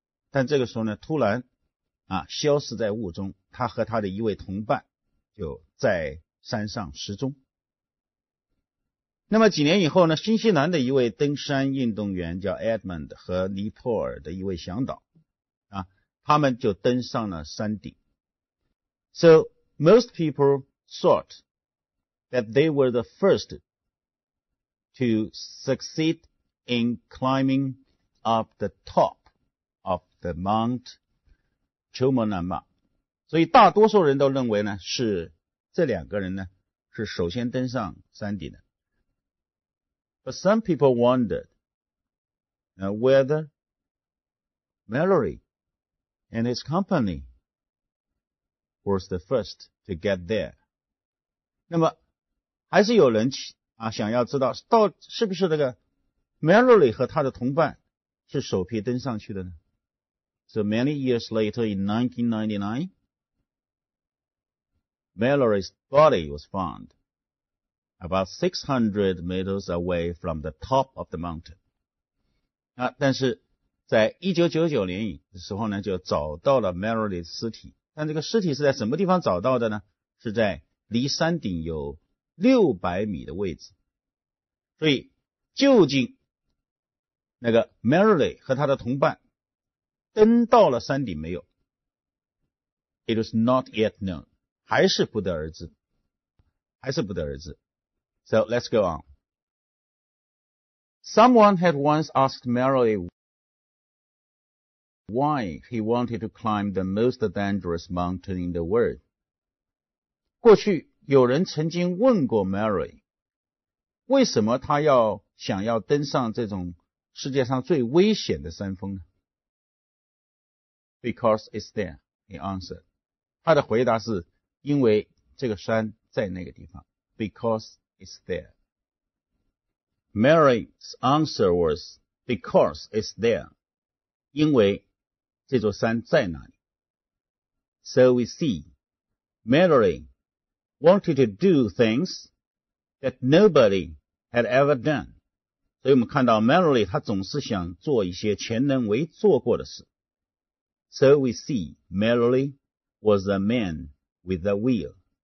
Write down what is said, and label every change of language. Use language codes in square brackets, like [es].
[zh] 但这个时候呢，突然啊消失在雾中，他和他的一位同伴就在山上失踪。那么几年以后呢，新西兰的一位登山运动员叫 Edmund 和尼泊尔的一位向导啊，他们就登上了山顶。 [en] So most people thought that they were the first to succeed in climbing up the top of the Mount Chumunama. [zh] 所以大多数人都认为呢，是这两个人呢是首先登上山顶的。 [en] But some people wondered whether Mallory and his company was the first to get there. [zh] 那么还是有人啊想要知道到是不是这个 Mallory 和他的同伴是首批登上去的呢？ [en] So many years later, in 1999, Mallory's body was found. About 600 meters away from the top of the mountain. [zh] 那但是在1999年的时候呢，就找到了 Mallory 的尸体。但这个尸体是在什么地方找到的呢？是在离山顶有600米的位置。所以究竟那个 Mallory 和他的同伴登到了山顶没有？ [en] It is not yet known. [zh] 还是不得而知。还是不得而知。 [en] So let's go on. Someone had once asked Mallory why he wanted to climb the most dangerous mountain in the world. [zh] 过去有人曾经问过 Mallory 为什么他要想要登上这种世界上最危险的山峰呢？ [en] Because it's there, he answered. [zh] 他的回答是因为这个山在那个地方。 [en] Because it's there. Mary's answer was, because it's there. [zh] 因为这座山在哪里。 [en] So we see, Mary wanted to do things that nobody had ever done. [zh] 所以我们看到 Mary 她总是想做一些前人未做过的事。 [en] So we see, Mary was a man with a will.